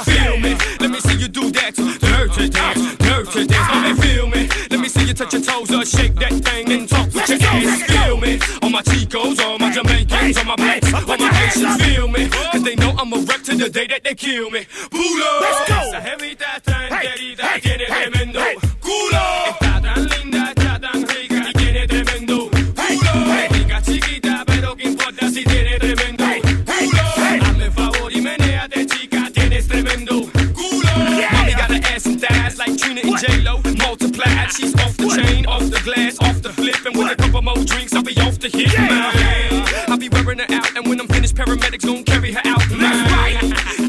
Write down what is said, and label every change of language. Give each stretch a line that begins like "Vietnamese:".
English: Feel me, let me see you do that to dirty dance, dirty dance. Mommy, feel me, let me see you touch your toes or shake that thing and talk with your ass. Feel me, all my Chicos, all my Jamaicans, all my blacks, all my Haitians. Feel me, cause they know I'm a wreck to the day that they kill me. Pulo, let's go.
Spanish: Esa jevita está enterida, tiene tremendo culo. Está tan linda, está tan rica y tiene tremendo culo. Rica chiquita, pero qué importa si tiene tremendo culo. Hazme favor y meneate chica, tienes tremendo culo.
English: Mommy got an ass and thighs like Trina and J-Lo. Multiplied, she's off the chain, off the glass, off get mine. I'll be wearing her out, and when I'm finished, paramedics gon' carry her out. That's right.